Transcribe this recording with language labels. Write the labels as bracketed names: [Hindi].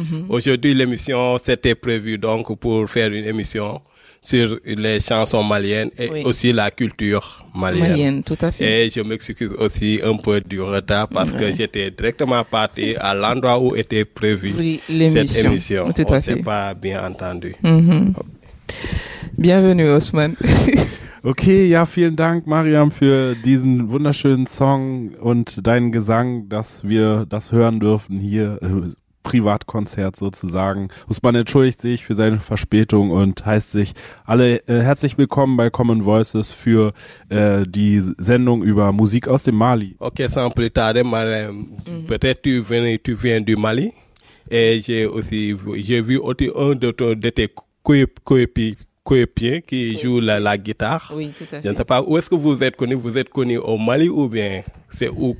[French] Aujourd'hui, l'émission c'était prévu donc pour faire une émission sur les chansons maliennes et aussi la culture malienne. Malienne, tout à fait. Et je m'excuse aussi un peu du retard parce que j'étais directement parti à l'endroit où était prévue cette émission. Tout on ne s'est pas bien entendu. Bienvenue, Ousmane. [German] Ok, ja, vielen Dank, Mariam, für diesen wunderschönen Song und deinen Gesang, dass wir das hören dürfen hier. Privatkonzert sozusagen. Ousmane entschuldigt sich für seine Verspätung und heißt sich alle herzlich willkommen bei Common Voices für die Sendung über Musik aus dem Mali. [French] Okay, sans plus tarder, Mariam, peut-être tu viens du Mali et j'ai vu aussi un de tes coéquipiers qui joue la guitare. Oui, tout à fait. Je ne sais pas où est-ce que vous êtes connu. Vous êtes connu au Mali ou bien c'est où?